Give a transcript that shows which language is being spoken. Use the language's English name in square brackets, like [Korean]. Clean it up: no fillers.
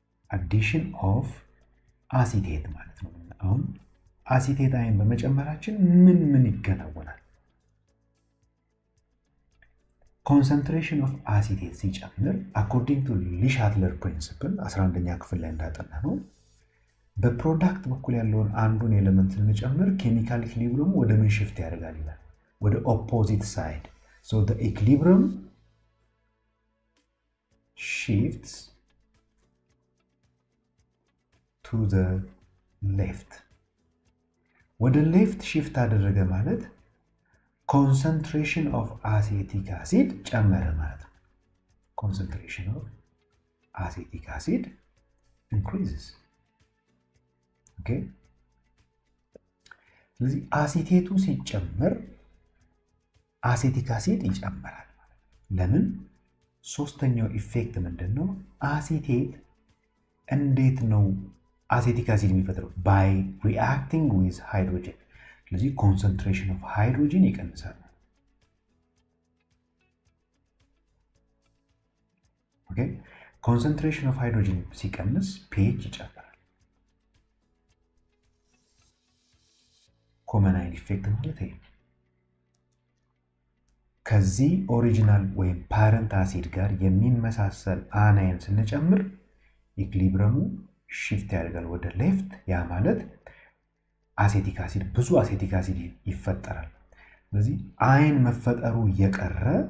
[English] addition of acetate [Amharic] ማለት ነው። አሁን acetate አይን በመጨመራችን ምን ምን ይከተውላል? [English] Concentration of acetate [Amharic] ሲጨምር [English] according to Lischadler principle [Amharic] 11ኛ ክፍል ላይ እንዳጠናነው በፕሮዳክት በኩል ያለውን አንዱን ኤሌመንት ስንጨምር ኬሚካል ኢኩሊብሪየሙ ወደ ምን ሺፍት ያደርጋል ይላል? ወደ ኦፖዚት ሳይድ። [English] So the equilibrium shifts to the left. [Amharic] ወደ ሌፍት ሺፍት አደረገ ማለት concentration of acetic acid ጨመረ ማለት ነው። [English] Concentration of acetic acid increases. Okay. [Amharic] ስለዚህ አሲቴቱ ሲጨመር አሲቲክ አሲድ ይጨምራል ማለት ነው። ለምን? ሶስተኛው ኢፌክት ምንድነው? አሲቴት እንዴት ነው አሲቲክ አሲድ የሚፈጥረው? [English] by reacting with hydrogen. [Amharic] ስለዚህ [English] concentration of hydrogen [Amharic] ይቀንሳል። [English] Okay? Concentration of hydrogen [Amharic] ሲቀንስ pH ይጨምራል። ኮመናይን ኢፌክት ማለት ነው። ከዚህ ኦሪጅናል ወይም ፓረንት አሲድ ጋር የሚመሳሰል አናይን ስንጨምር ኢኩሊብሪየሙ ሺፍት ያደርጋል ወደ ሌፍት። ያ ማለት አሲቲክ አሲድ ብዙ አሲቲክ አሲድ ይፈጠራል። ስለዚህ አይን መፈጠሩ የቀረ